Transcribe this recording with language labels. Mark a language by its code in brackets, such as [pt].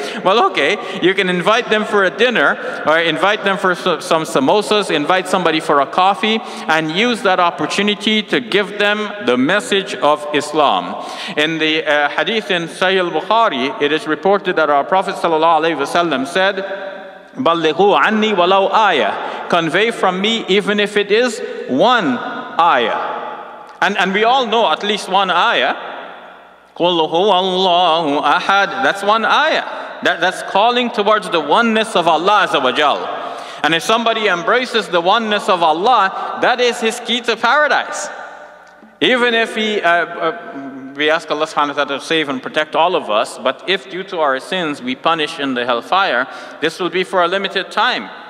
[en] Well, okay, you can invite them for a dinner, or invite them for some samosas, invite somebody for a coffee, and use that opportunity to give them the message of Islam. In the hadith in Sahih al-Bukhari, it is reported that our Prophet ﷺ said, [ar] بَلِّغُوا عَنِّي وَلَوْ آيَةً, [en] convey from me even if it is one ayah. And we all know at least one ayah. [ar] قُلْ هُوَ اللَّهُ أَحَدٌ, [en] that's one ayah. That's calling towards the oneness of Allah Azza wa Jal. And if somebody embraces the oneness of Allah, that is his key to paradise. Even if he... we ask Allah subhanahu wa ta'ala to save and protect all of us, but if due to our sins we punish in the hellfire, this will be for a limited time.